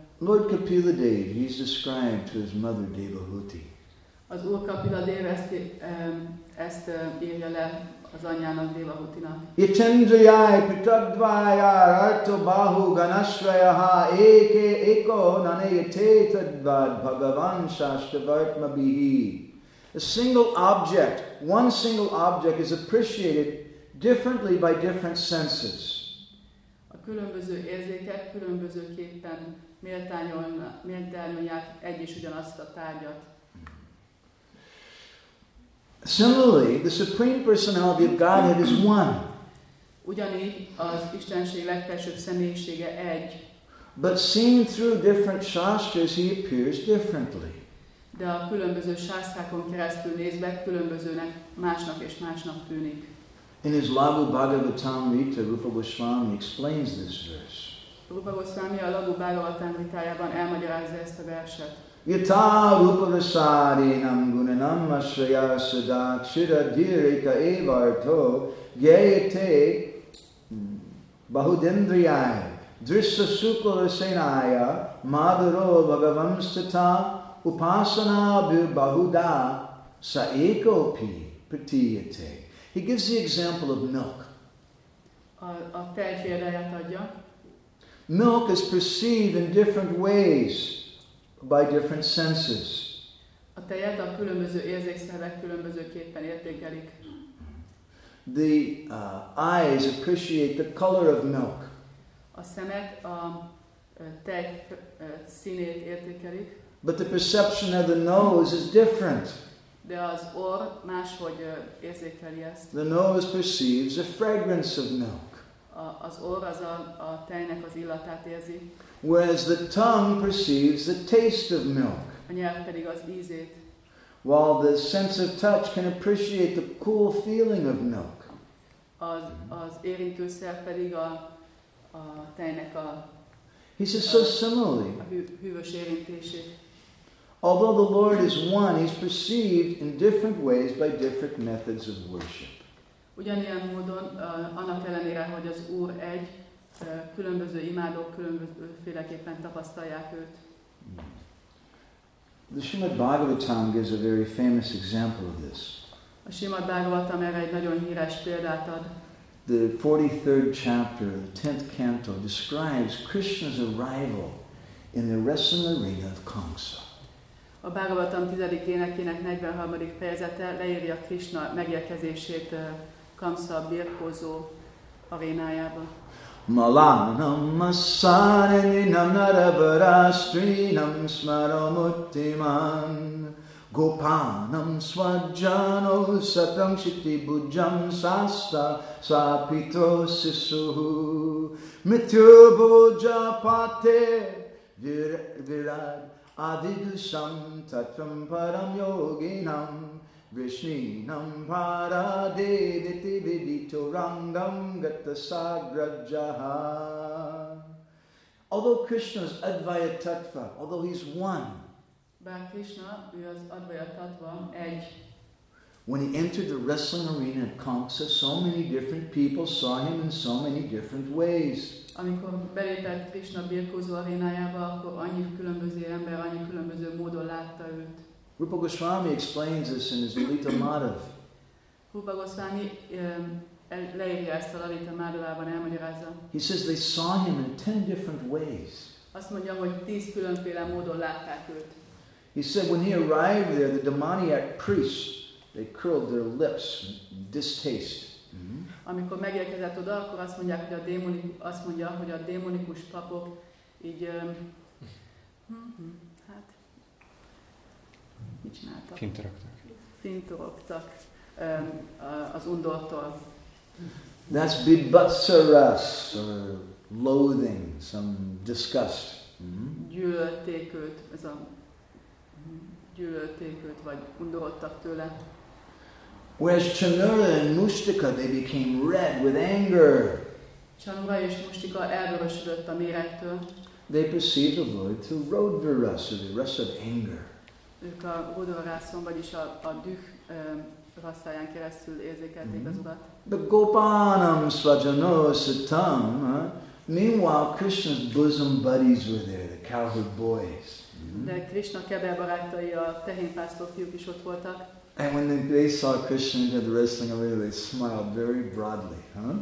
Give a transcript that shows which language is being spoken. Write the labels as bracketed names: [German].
[English] Lord Kapila Dev, he's described to his mother Devahuti. [Hungarian] Az Úr Kapila Dev ezt írja le az anyjának Devahutinak. [Sanskrit] Itendriyai pitadvaya rato bahu ganashrayaha eke eko naneyetetadvad bhagavan shashtavartma bihi. [English] A single object, one single object is appreciated differently by different senses. [Hungarian] A különböző érzékek különbözőképpen méltányolják egy és ugyanazt a tárgyat. [English] Similarly, the Supreme Personality of Godhead is one. [Hungarian] Ugyanígy az Istenség legfelsőbb személyisége egy. [English] But seen through different shastras, he appears differently. [Hungarian] De a különböző sásztrákon keresztül nézve különbözőnek, másnak és másnak tűnik. [English] In his Lagu Bhagavatamrita, Rupa Goswami explains this verse. [Hungarian] Rupa Goswami a Lagu Bhagavatamritájában elmagyarázza ezt a verset. [Sanskrit] Yata Rupa Vasarinam Gunanam Ashraya Sada Chira Dhirika Evarto Gyayate Bahudendriyai Drissa Sukala Senaya Madhuro Bhagavamstata Upasana Bhubahuda Saekopi Pratiyate. [English] He gives the example of milk. [Hungarian] A tej példáját adja. [English] Milk is perceived in different ways by different senses. [Hungarian] A tejet a különböző érzékszervek különbözőképpen értékelik. [English] The eyes appreciate the color of milk. [Hungarian] A szemek a tej színét értékelik. [English] But the perception of the nose is different. [Hungarian] De az orr máshogy érzékeli ezt. [English] The nose perceives the fragrance of milk. [Hungarian] Az orr az a tejnek az illatát érzi. [English] Whereas the tongue perceives the taste of milk. [Hungarian] A nyelv pedig az ízét. [English] While the sense of touch can appreciate the cool feeling of milk. [Hungarian] Az érintőszer pedig a tejnek a. [English] He says so similarly. [Hungarian] A hűvös érintését. [English] Although the Lord is one, he's perceived in different ways by different methods of worship. [Hungarian] Ugyanilyen módon, annak ellenére, hogy az Úr egy, különböző imádók különbözőféleképpen tapasztalják őt. [English] The Srimad Bhagavatam gives a very famous example of this. [Hungarian] A Srimad Bhagavatam erre egy nagyon híres példát ad. [English] The 43rd chapter, the 10th canto, describes Krishna's arrival in the wrestling arena of Kamsa. [Hungarian] A Bhagavatam 10. énekének 43. fejezete leírja Krishna megérkezését Kamsa birkózó arénájába. [Sanskrit] Malanam masaninam naravarastrinam smaramuttimam gopanam svajjano satamshiti bujjam sasta sapito sisuhu mityu bhoja pate virad adidusham tatram param yoginam vishninam paradeviti viditurangam gatasagrajaha. [English] Although Krishna is Advaita Tattva, although he's one, [Hungarian] Bhag Krishna, ő az Advaita Tattva, egy. [English] When he entered the wrestling arena at Kamsa, so many different people saw him in so many different ways. [Hungarian] Amikor belépett Krishna birkózó arénájába, akkor annyi különböző ember, annyi különböző módon látta őt. [English] Rupa Goswami explains this in his Lalita Madhav. [Hungarian] Rupa Goswami leírja ezt a Lalita Madhavában, elmagyarázza. [English] He says they saw him in 10 different ways. [Hungarian] Azt mondja, hogy 10 különféle módon látták őt. [English] He said when he arrived there, the demoniac priests, they curled their lips in distaste. [Hungarian] Amikor megérkezett oda, akkor azt mondják, hogy a démonikus papok így hát mit csináltak? Fintorogtak az undortól. [English] That's bibhatsaras, or loathing, some disgust. [Hungarian] Gyűlölték őt, ez a gyűlölték őt, vagy undorodtak tőle. [English] Whereas Chanura and Mushtika, they became red with anger. [Hungarian] Chanura és Mushtika elvörösödött a mérektől. [English] they perceive the Lord through Rodvarasa, the rasa of anger. [Hungarian] Ők a Rodvarasa, vagyis a düh rasszáján keresztül érzékelték az Urat. [Sanskrit] The Gopanam Svajano Sattam. [English] Meanwhile, Krishna's bosom buddies were there, the cowherd boys. [Hungarian] De Krishna keber barátai, a tehénpásztor fiúk is ott voltak. [English] And when they saw Krishna into the wrestling arena, they smiled very broadly, huh?